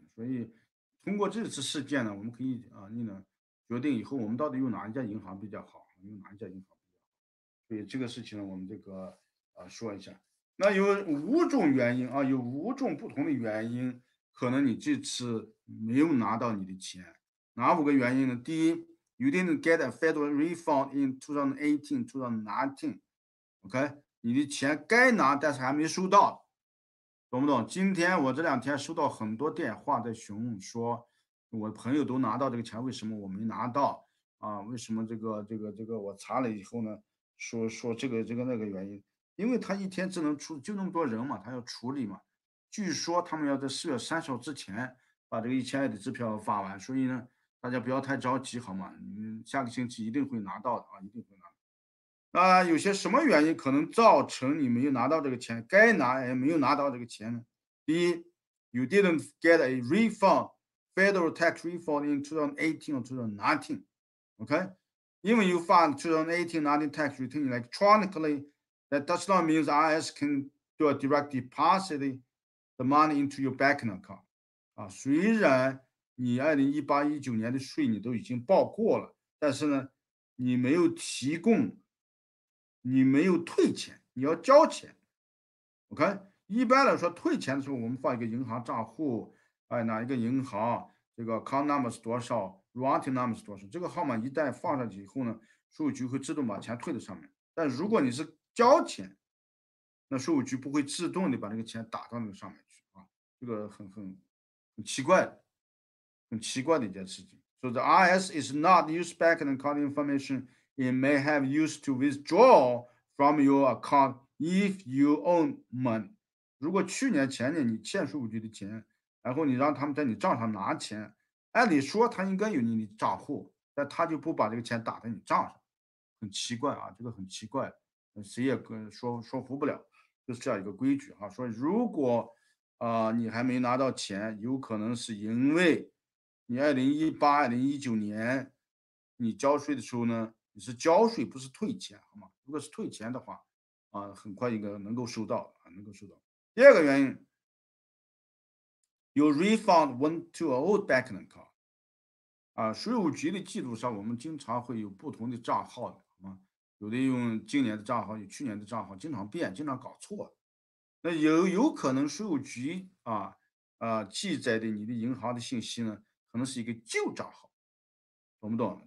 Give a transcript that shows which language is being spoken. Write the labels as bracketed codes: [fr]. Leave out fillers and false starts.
[zh] 所以通过这次事件呢，我们可以决定以后我们到底用哪一家银行比较好，用哪一家银行比较好。所以这个事情呢，我们说一下。那有五种原因啊，有五种不同的原因，可能你这次没有拿到你的钱。哪五个原因呢？第一， [en] you didn't get a federal refund in 2018, 2019。 [zh] OK，你的钱该拿，但是还没收到，懂不懂？今天我这两天收到很多电话在询问，说我朋友都拿到这个钱，为什么我没拿到？啊，为什么这个？我查了以后呢，说这个那个原因，因为他一天只能出就那么多人嘛，他要处理嘛。据说他们要在4月30号之前把这个1000亿的支票发完，所以呢。大家不要太着急，好吗？你下个星期一定会拿到的啊，一定会拿。那有些什么原因可能造成你没有拿到这个钱，该拿也没有拿到这个钱呢？第一， [en] you didn't get a refund, federal tax refund in 2018 or 2019, OK? [zh] 因为 [en] you filed 2018-19 tax return electronically, that does not mean IRS can do a direct deposit the money into your bank account。 [zh] 啊，虽然。你2018、2019年的税你都已经报过了，但是呢，你没有提供，你没有退钱，你要交钱。 OK，一般来说退钱的时候，我们放一个银行账户，哎，哪一个银行，这个 account number 是多少，routing number 是多少，这个号码一旦放上去以后呢，税务局会自动把钱退到上面。但如果你是交钱，那税务局不会自动的把那个钱打到那个上面去啊，这个很奇怪。很奇怪的一件事情。 [en] So the IRS is not use bank account information it may have used to withdraw from your account if you own money。 [zh] 如果去年前年你欠税务局的钱，然后你让他们在你账上拿钱，按理说他应该有你的账户，但他就不把这个钱打在你账上，很奇怪啊，这个很奇怪，谁也跟说服不了，就是这样一个规矩啊。所以如果你还没拿到钱，有可能是因为。你2018、2019年你交税的时候呢，你是交税不是退钱，好吗？如果是退钱的话，很快应该能够收到啊，能够收到。第二个原因， [en] your refund went to an old bank account。 [zh] 税务局的记录上，我们经常会有不同的账号的，好吗？有的用今年的账号，有去年的账号，经常变，经常搞错。那有可能税务局记载的你的银行的信息呢？可能是一个旧账号，懂不懂？